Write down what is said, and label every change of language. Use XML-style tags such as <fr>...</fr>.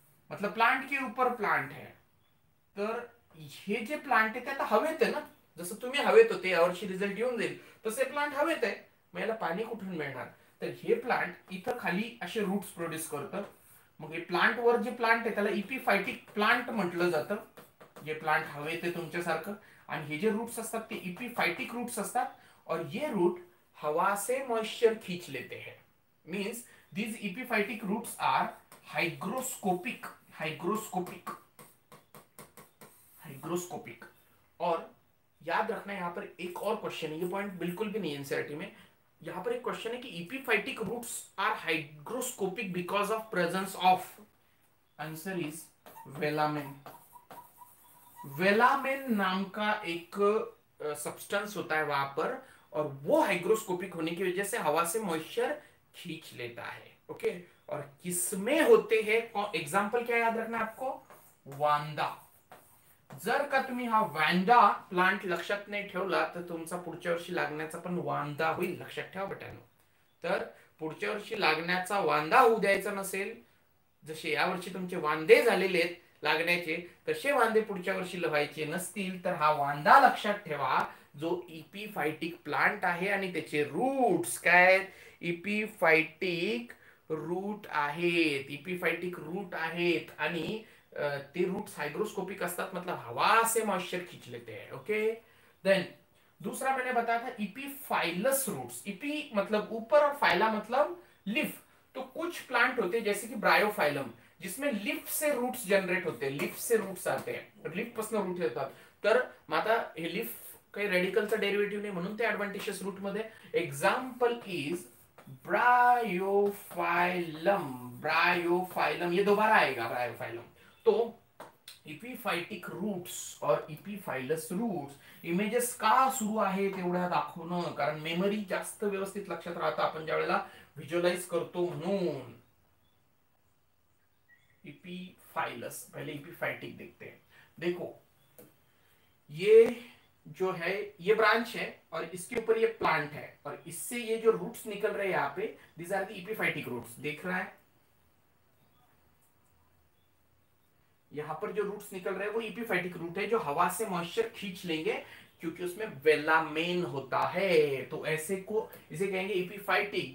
<hi>मतलब प्लांट के ऊपर प्लांट है.</hi> <mr>तर ये जे प्लांट है ते आता हवेत है ना, जसं तुम्ही हवेत होते, यावर्षी रिझल्ट येऊन जाईल, तसे प्लांट हवेत है. मग याला पाणी कुठून मिळणार, तर हे प्लांट इथं खाली असे रूट्स प्रोड्यूस करतं. मग हे प्लांट वर जे प्लांट आहे त्याला इपीफायटिक प्लांट म्हटलं जातं, जे प्लांट हवे ते तुमच्यासारखं, आणि हे जे रूट्स असतात ते इपीफायटिक रूट्स असतात,</mr> <hi>और ये रूट हवा से मॉइस्चर खींच लेते हैं.</hi> <en>Means these epiphytic roots are hygroscopic, hygroscopic, hygroscopic.</en> <hi>और याद रखना यहां पर एक और क्वेश्चन है, ये पॉइंट बिल्कुल भी नहीं एनसीईआरटी में, यहां पर एक क्वेश्चन है कि</hi> <en>Epiphytic roots are hygroscopic because of presence of, answer is velamen.</en> <hi>वेलामिन नाम का एक सब्सटेंस होता है वहां पर, और वो हाइग्रोस्कोपिक होने की वजह से हवा से मॉइस्चर खींच लेता है. ओके और किसमें होते हैं एग्जाम्पल क्या याद रखना है आपको, वांदा.</hi> <mr>जर का तुम्ही हा वांदा प्लांट लक्षात नाही ठेवला तर तुमचा पुढच्या वर्षी लागण्याचा पण वांदा होईल, लक्षात ठेवा बटानो. तर पुढच्या वर्षी लागण्याचा वांदा होऊ द्यायचा नसेल, जसे या वर्षी तुमचे वांदे झालेले आहेत लागण्याचे, तसे वांदे पुढच्या वर्षी लावायचे नसतील तर हा वांदा लक्षात ठेवा, जो इपीफायटिक प्लांट आहे आणि त्याचे रूट्स काय इपीफायटिक रूट आहेत, इपीफायटिक रूट आहेत आणि ते रूट हाइग्रोस्कोपिक असतात,</mr> <hi>मतलब हवा से मॉइस्चर खींच लेते हैं. ओके देन दूसरा मैंने बताया था इपीफाइलस रूट्स. इपी मतलब ऊपर और फाइला मतलब लीफ. तो कुछ प्लांट होते हैं जैसे कि ब्रायोफाइलम, जिसमें लीफ से रूट्स जनरेट होते हैं, लीफ से रूट्स आते हैं,</hi> <mr>लीफ पासून रूट येतात. तर माता हे लीफ काही रेडिकलचा डेरिवेटिव नाही म्हणून ते ऍडव्हान्टेजियस रूट मध्ये.</mr> <en>example is</en> <hi>ब्रायोफाइलम, ब्रायोफाइलम ये दोबारा आएगा ब्रायोफाइलम.</hi> <mr>तो इपीफाइटिक रूट्स और इपीफाइलस रूट्स इमेजेस का सुरू आहे तेवढ्या दाखवणं, कारण मेमरी जास्त व्यवस्थित लक्षात राहतं आपण ज्या वेळेला व्हिज्युअलाइज करतो म्हणून.</mr> <hi>इपीफाइलस पहिले इपीफाइटिक देखते. देखो ये जो है ये ब्रांच है और इसके ऊपर ये प्लांट है और इससे ये जो रूट्स निकल रहे हैं यहाँ पे,</hi> <en>These are the epiphytic roots.</en> <hi>देख रहा है यहां पर जो रूट्स निकल रहे हैं वो इपीफाइटिक रूट है जो हवा से मॉइस्चर खींच लेंगे क्योंकि उसमें वेलामेन होता है, तो ऐसे को इसे कहेंगे इपीफाइटिक.</hi>